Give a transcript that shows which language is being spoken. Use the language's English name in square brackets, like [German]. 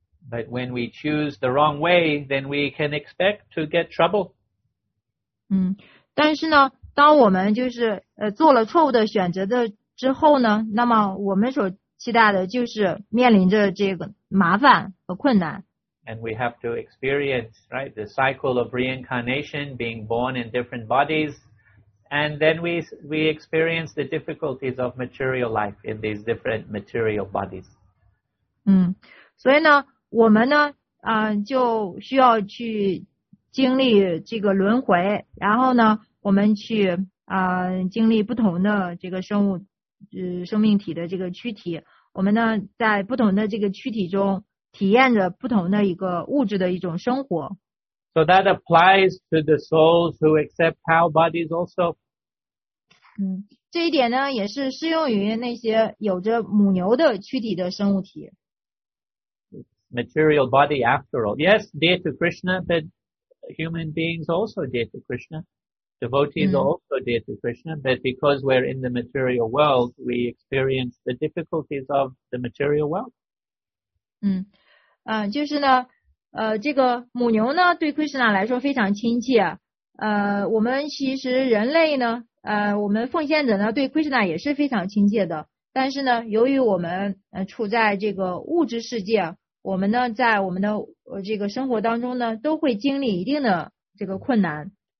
[English] But when we choose the wrong way, then we can expect to get trouble. [Chinese] 但是呢，当我们就是做了错误的选择的之后呢，那么我们所期待的就是面临着这个麻烦和困难。 [English] And we have to experience, right, the cycle of reincarnation, being born in different bodies. And then we experience the difficulties of material life in these different material bodies. [Chinese] 所以呢，我们呢，就需要去经历这个轮回，然后呢，我们去经历不同的这个生物，生命体的这个躯体。我们呢，在不同的这个躯体中，体验着不同的一个物质的一种生活。 [English] So that applies to the souls who accept cow bodies also. [Chinese] 这一点呢也是适用于那些有着母牛的躯体的生物体。 [English] Material body after all. Yes, dear to Krishna, but human beings also dear to Krishna. Devotees also dear to Krishna, but because we're in the material world, we experience the difficulties of the material world. [Chinese] 就是呢这个母牛呢对 Krishna 来说非常亲切我们其实人类呢我们奉献者呢对 Krishna 也是非常亲切的但是呢由于我们处在这个物质世界我们呢在我们的这个生活当中呢都会经历一定的这个困难。